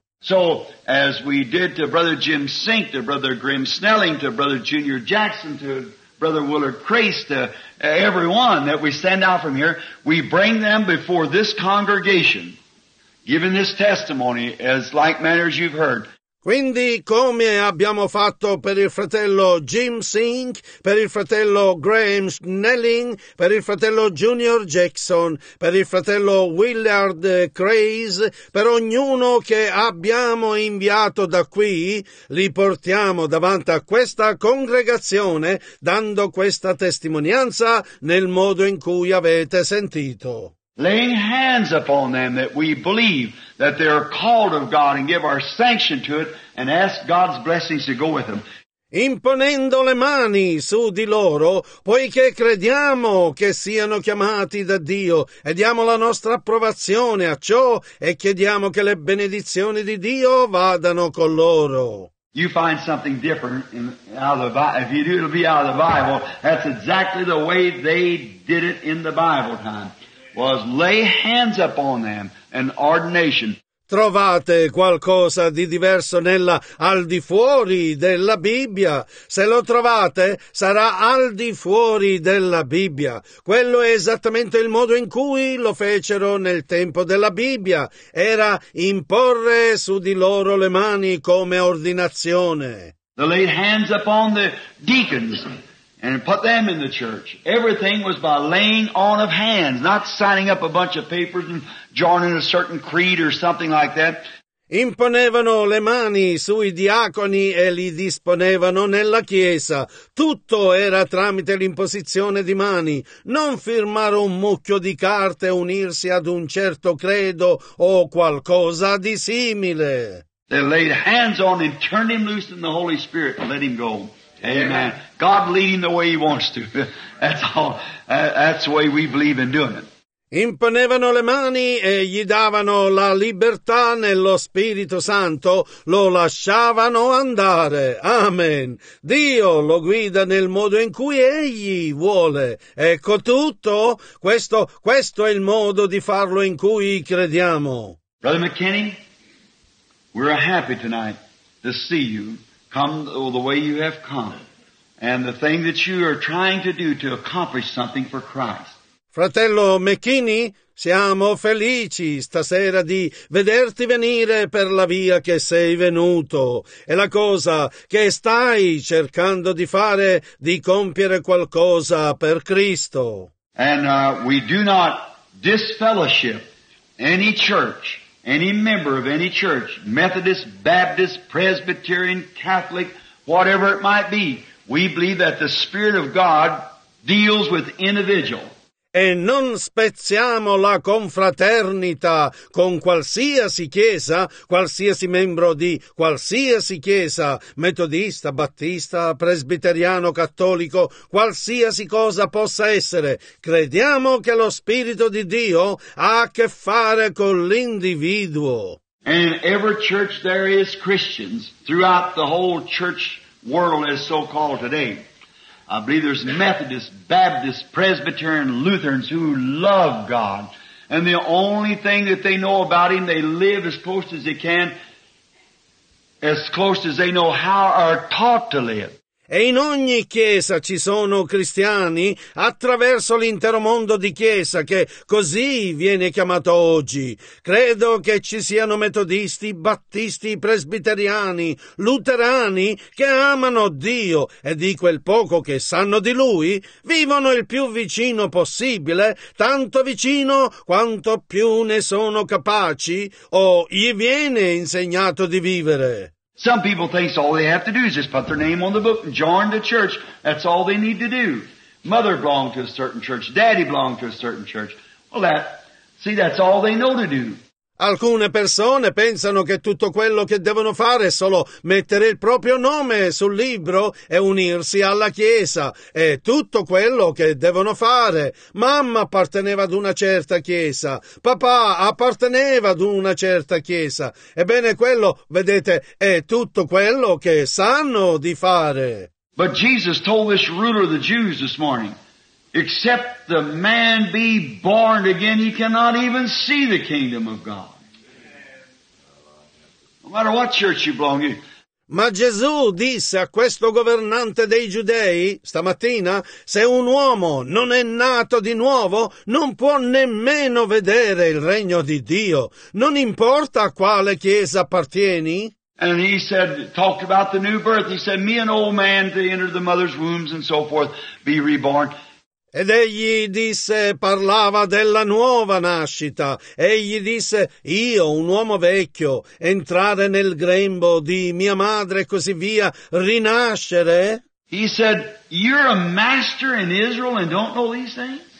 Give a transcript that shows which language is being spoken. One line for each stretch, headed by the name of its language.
English: So, as we did to Brother Jim Sink, to Brother Grim Snelling, to Brother Junior Jackson, to Brother Willard Crace, to everyone that we send out from here, we bring them before this congregation, giving this testimony as like manner as you've heard.
Italian: Quindi, come abbiamo fatto per il fratello Jim Sink, per il fratello Graham Snelling, per il fratello Junior Jackson, per il fratello Willard Craze, per ognuno che abbiamo inviato da qui, li portiamo davanti a questa congregazione dando questa testimonianza nel modo in cui avete sentito.
English: Laying hands upon them that we believe that they are called of God and give our sanction to it and ask God's blessings to go with them.
Italian: Imponendo le mani su di loro, poiché crediamo che siano chiamati da Dio, e diamo la nostra approvazione a ciò e chiediamo che le benedizioni di Dio vadano con loro.
English: You find something different in, out of the Bible. If you do, it'll be out of the Bible. That's exactly the way they did it in the Bible time. Was lay hands upon them an ordination.
Italian: Trovate qualcosa di diverso nella al di fuori della Bibbia. Se lo trovate, sarà al di fuori della Bibbia. Quello è esattamente il modo in cui lo fecero nel tempo della Bibbia. Era imporre su di loro le mani come ordinazione.
English: They laid hands upon the deacons. And put them in the church. Everything was by laying on of hands, not signing up a bunch of papers and joining a certain creed or something like that.
Italian: Imponevano le mani sui diaconi e li disponevano nella chiesa. Tutto era tramite l'imposizione di mani. Non firmare un mucchio di carte, unirsi ad un certo credo o qualcosa di simile.
English: They laid hands on and turned him loose in the Holy Spirit and let him go. Amen. God leading the way he wants to. That's all. That's the way we believe in doing it.
Italian: Imponevano le mani e gli davano la libertà nello Spirito Santo. Lo lasciavano andare. Amen. Dio lo guida nel modo in cui egli vuole. Ecco tutto. Questo è il modo di farlo in cui crediamo.
English: Brother McKinney, we're happy tonight to see you. Come the way you have come, and the thing that you are trying to do to accomplish something for Christ.
Italian: Fratello McKinney, siamo felici stasera di vederti venire per la via che sei venuto. È la cosa che stai cercando di fare, di compiere qualcosa per Cristo.
English: And we do not disfellowship any church. Any member of any church, Methodist, Baptist, Presbyterian, Catholic, whatever it might be, we believe that the Spirit of God deals with individual.
Italian: E non spezziamo la confraternita con qualsiasi chiesa, qualsiasi membro di qualsiasi chiesa, metodista, battista, presbiteriano, cattolico, qualsiasi cosa possa essere. Crediamo che lo Spirito di Dio ha a che fare con l'individuo.
English: And every church there is Christians throughout the whole church world is so called today. I believe there's Methodists, Baptists, Presbyterian, Lutherans who love God. And the only thing that they know about Him, they live as close as they can, as close as they know how are taught to live.
Italian: E in ogni chiesa ci sono cristiani attraverso l'intero mondo di chiesa che così viene chiamato oggi. Credo che ci siano metodisti, battisti, presbiteriani, luterani che amano Dio e di quel poco che sanno di Lui vivono il più vicino possibile, tanto vicino quanto più ne sono capaci o gli viene insegnato di vivere.
English: Some people think all they have to do is just put their name on the book and join the church. That's all they need to do. Mother belonged to a certain church. Daddy belonged to a certain church. Well, that's all they know to do.
Italian: Alcune persone pensano che tutto quello che devono fare è solo mettere il proprio nome sul libro e unirsi alla Chiesa. È tutto quello che devono fare. Mamma apparteneva ad una certa Chiesa. Papà apparteneva ad una certa Chiesa. Ebbene, quello, vedete, è tutto quello che sanno di fare.
English: But Jesus told this ruler of the Jews this morning, except the man be born again, he cannot even see the kingdom of God. No matter what church you belong to.
Italian: Ma Gesù disse a questo governante dei giudei stamattina, se un uomo non è nato di nuovo, non può nemmeno vedere il regno di Dio. Non importa a quale chiesa appartieni.
English: And he said, talked about the new birth. He said, me an old man to enter the mother's wombs and so forth, be reborn.
Italian: Ed egli disse, parlava della nuova nascita. Egli disse, io, un uomo vecchio, entrare nel grembo di mia madre e così via, rinascere?
English: He said, you're a master in Israel and don't know these things?